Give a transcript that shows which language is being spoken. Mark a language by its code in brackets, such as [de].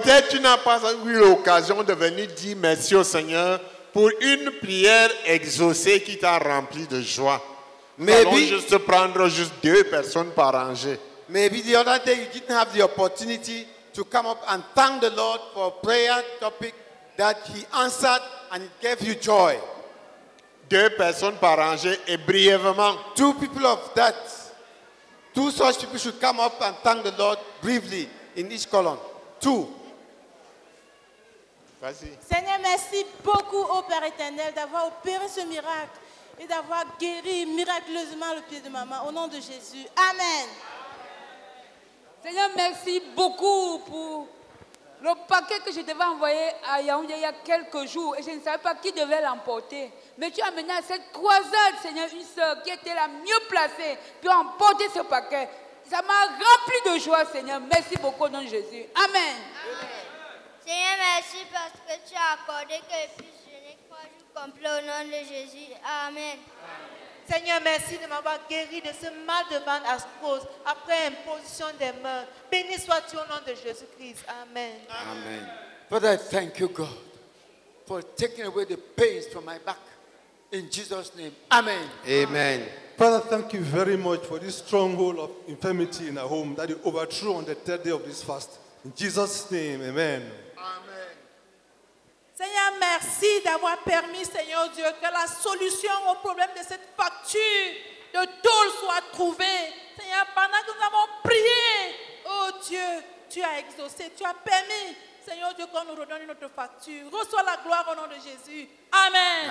[fr] De venir dire merci au Seigneur pour une prière exaucée qui t'a rempli de joie. [en] Maybe, [fr] allons juste prendre juste deux personnes par rangée. [en] Maybe the other day you didn't have the opportunity to come up and thank the Lord for a prayer topic that he answered and it gave you joy. [fr] Deux personnes par rangée et brièvement. [en] Two people of that. Two such people should come up and thank the Lord briefly in each column. Two. [fr] Vas-y. Seigneur, merci beaucoup au Père éternel d'avoir opéré ce miracle et d'avoir guéri miraculeusement le pied de maman. Au nom de Jésus. Amen. Amen. Seigneur, merci beaucoup pour le paquet que je devais envoyer à Yaoundé il y a quelques jours et je ne savais pas qui devait l'emporter. Mais tu as mené à cette croisade, Seigneur, une sœur qui était la mieux placée pour emporter ce paquet. Ça m'a rempli de joie, Seigneur. Merci beaucoup au nom de Jésus. Amen. Amen. Seigneur, merci parce que tu as accordé que je puisse jeûner 3 jours complets au nom de Jésus. Amen. Amen. Seigneur, merci de m'avoir guéri de ce mal de ventre à cause après imposition des mains. Béni sois-tu au nom de Jésus-Christ. Amen. Amen. [en] Father, I thank you, God, for taking away the pains from my back. In Jesus' name. Amen. Amen. Amen. Father, thank you very much for this stronghold of infirmity in our home that you overthrew on the third day of this fast. In Jesus' name, amen. Amen. [fr] Seigneur, merci d'avoir permis, Seigneur Dieu, que la solution au problème de cette facture de tôle soit trouvée. Seigneur, pendant que nous avons prié, oh Dieu, tu as exaucé, tu as permis, Seigneur Dieu, qu'on nous redonne notre facture. Reçois la gloire au nom de Jésus. Amen.